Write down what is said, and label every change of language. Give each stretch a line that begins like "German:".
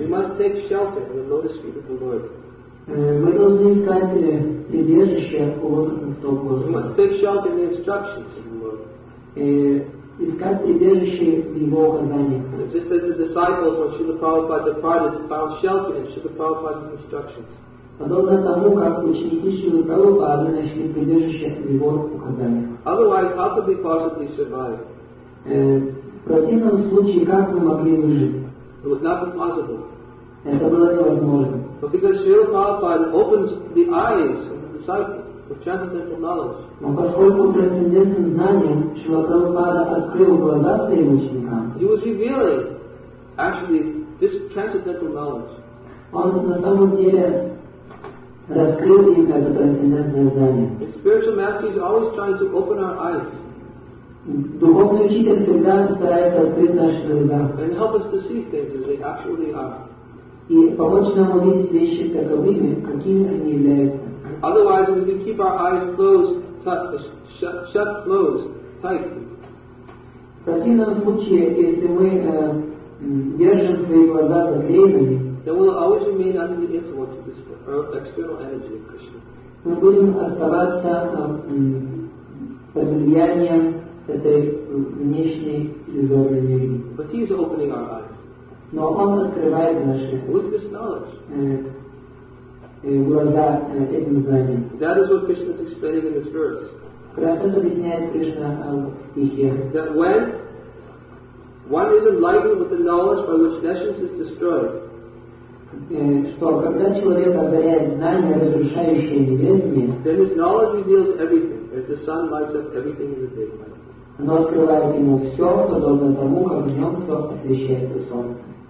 English: We must take shelter in the lotus feet of the Lord.
Russian: Мы должны искать прибежище у лотосных стоп Господа.
English: We must take shelter in the instructions of the Lord.
Russian: Искать прибежище в Его указаниях.
English: Just as the disciples, when Śrīla Prabhupāda departed, found shelter in Śrīla Prabhupāda's instructions.
Russian: Подобно тому, как ученики Śrīla Prabhupāda нашли прибежище в Его указаниях.
English: Otherwise, how could we possibly survive?
Russian: В противном случае, как мы могли выжить?
English: It would not be possible.
Russian: Это было невозможно.
English: But because Śrīla Prabhupāda opens the eyes of the disciples with transcendental knowledge.
Russian: Но поскольку трансцендентным знанием Śrīla Prabhupāda открыл глаза своим ученикам,
English: he was revealing, actually, this transcendental knowledge.
Russian: Он на самом деле раскрыл им это трансцендентное знание.
English: The spiritual master is always trying to open our eyes.
Russian: Духовный учитель всегда старается открыть наши глаза.
English: And help us to see things as they actually are.
Russian: И помочь нам увидеть вещи таковыми, какими они являются.
English: Otherwise, if we keep our eyes closed, shut closed, tightly.
Russian: В противном случае, если мы держим свои глаза закрытыми,
English: then we'll always remain under the influence of this external energy of Krishna.
Russian: Мы будем оставаться под влиянием этой внешней иллюзорной энергии.
English: But he is opening our eyes.
Russian: Но он открывает наши глаза этим знанием.
English: That is what Krishna is explaining in this verse.
Russian: Как это объясняет Кришна в стихе?
English: That when one is enlightened with the knowledge by which nations is destroyed,
Russian: что когда человек озаряет знания, разрушающие небесные,
English: then his knowledge reveals everything, as the sun lights up everything in the day.
Russian: Оно открывает ему все, подобно тому, как в нем все освещается солнце.